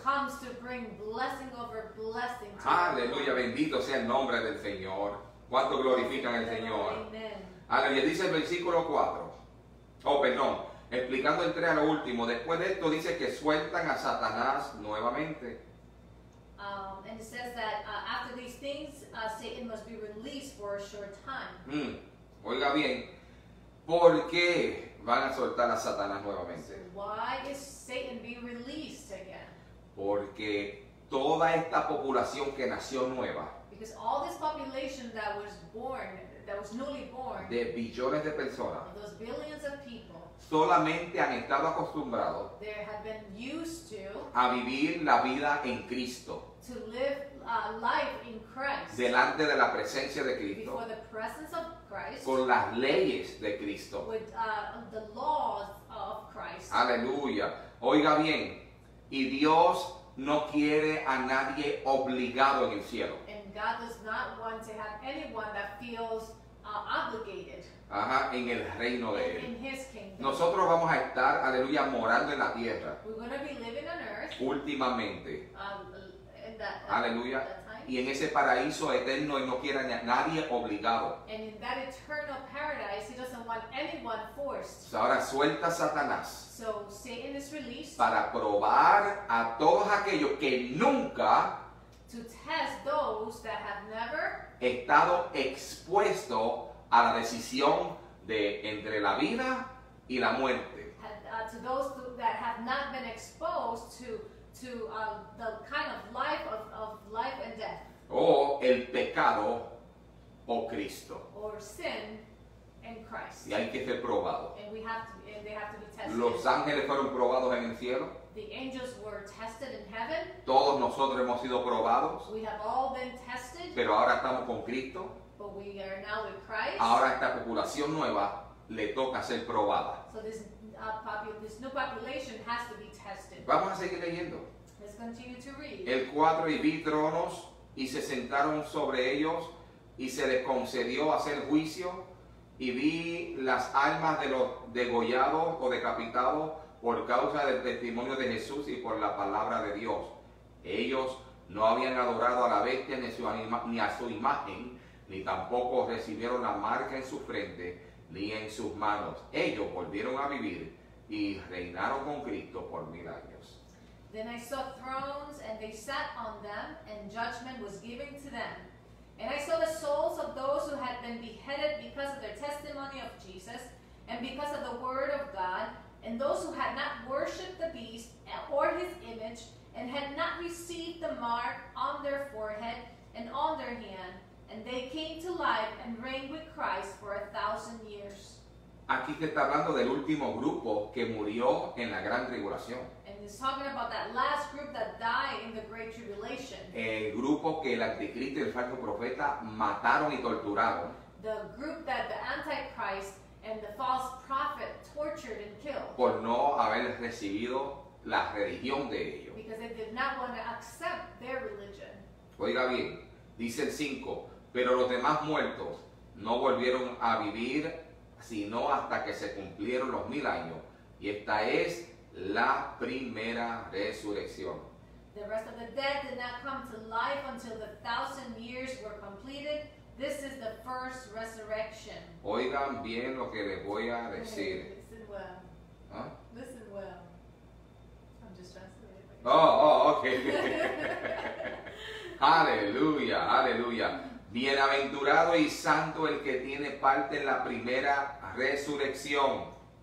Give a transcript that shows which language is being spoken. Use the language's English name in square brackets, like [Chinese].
[English] Comes to bring blessing over blessing to [Spanish] Aleluya, bendito sea el nombre del Señor. ¿Cuánto glorifican al Señor? Amen. Aleluya, dice el versículo 4. Oh, perdón. Explicando el 3 a lo último. Después de esto dice que sueltan a Satanás nuevamente. [English] And it says that after these things, Satan must be released for a short time. [Spanish] Oiga bien, ¿por qué van a soltar a Satanás nuevamente? [English] Why is Satan being released again? [Spanish] Porque toda esta población que nació nueva. [English] Because all this population that was born, that was newly born. [Spanish] De billones de personas. [English] Those billions of people. [Spanish] Solamente han estado acostumbrados. [English] They have been used to. [Spanish] A vivir la vida en Cristo. [English] To live a life in Christ. [Spanish] Delante de la presencia de Cristo. [English] Before the presence of Christ. [Spanish] Con las leyes de Cristo. [English] With the laws of Christ. [Spanish] Aleluya. Oiga bien. Y Dios no quiere a nadie obligado en el cielo. [English] And God does not want to have anyone that feels obligated. [Spanish] Ajá, en el reino de Él. [English] In his kingdom. [Spanish] Nosotros vamos a estar, aleluya, morando en la tierra. [English] We're going to be living on earth. [Spanish] Últimamente. [English] That, aleluya, that time. [Spanish] Y en ese paraíso eterno él no quiere a nadie obligado. [English] And in that eternal paradise he doesn't want anyone forced. [Spanish] So ahora suelta a Satanás. [English] So Satan is released. [Spanish] Para probar a todos aquellos que nunca. [English] To test those that have never. [Spanish] Estado expuesto a la decisión de entre la vida y la muerte. [English] To those that have not been exposed to. The kind of life of life and death. [Spanish] O el pecado o Cristo. [English] Or sin and Christ. [Spanish] Y hay que ser probado. [English] And they have to be tested. [Spanish] Los ángeles fueron probados en el cielo. [English] The angels were tested in heaven. [Spanish] Todos nosotros hemos sido probados. [English] We have all been tested. [Spanish] Pero ahora estamos con Cristo. [English] But we are now with Christ. [Spanish] Ahora esta población nueva le toca ser probada. [English] So this new population has to be tested. [Spanish] Vamos a seguir leyendo. [English] Let's continue to read. [Spanish] El 4, y vi tronos, y se sentaron sobre ellos, y se les concedió hacer juicio, y vi las almas de los degollados o decapitados por causa del testimonio de Jesús y por la palabra de Dios. Ellos no habían adorado a la bestia ni a su imagen, ni tampoco recibieron la marca en su frente, ni en sus manos. Ellos volvieron a vivir y reinaron con Cristo por 1,000 años. [English] Then I saw thrones, and they sat on them, and judgment was given to them. And I saw the souls of those who had been beheaded because of their testimony of Jesus, and because of the word of God, and those who had not worshipped the beast or his image, and had not received the mark on their forehead and on their hand. And they came to life and reigned with Christ for 1,000 years. [Spanish] Aquí se está hablando del último grupo que murió en la gran tribulación. [English] And it's talking about that last group that died in the great tribulation. [Spanish] El grupo que el anticristo y el falso profeta mataron y torturaron. [English] The group that the antichrist and the false prophet tortured and killed. [Spanish] Por no haber recibido la religión de ellos. [English] Because they did not want to accept their religion. [Spanish] Oiga bien, dice el 5. Pero los demás muertos no volvieron a vivir, sino hasta que se cumplieron los 1,000 años. Y esta es la primera resurrección. [English] The rest of the dead did not come to life until the 1,000 years were completed. This is the first resurrection. [Spanish] Oigan bien lo que les voy a decir. [English] Okay, listen well. Huh? Listen well. I'm just translating. Okay. Aleluya, aleluya. [Spanish] Bienaventurado y santo el que tiene parte en la primera resurrección.